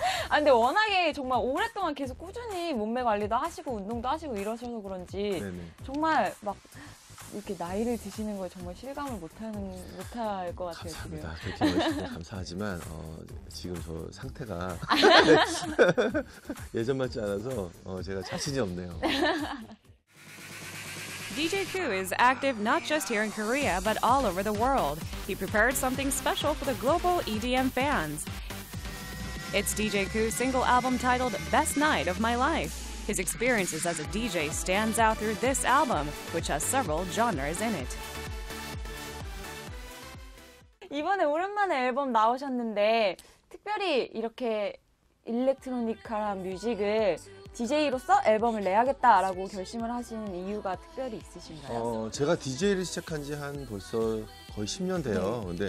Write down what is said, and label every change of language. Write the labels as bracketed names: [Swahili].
[Korean] 아, 근데 워낙에 정말 오랫동안 계속 꾸준히 몸매 관리도 하시고 운동도 하시고 이러셔서 그런지 네네. 정말 막 이렇게 나이를 드시는 걸 정말 실감을 못할 것 같아요. 감사합니다. 지금. 그렇게 말씀드려 감사하지만 지금 저 상태가 예전 같지 않아서 제가 자신이 없네요. [English] DJ Koo is active not just here in Korea but all over the world. He prepared something special for the global EDM fans. It's DJ Koo's single album titled Best Night of My Life. His experiences as a DJ stands out through this album, which has several genres in it. [Korean] 이번에 오랜만에 앨범 나오셨는데 특별히 이렇게 일렉트로니컬한 뮤직을 DJ로서 앨범을 내야겠다라고 결심을 하신 이유가 특별히 있으신가요? 제가 DJ를 시작한 지 한 벌써 거의 10년 돼요. 네.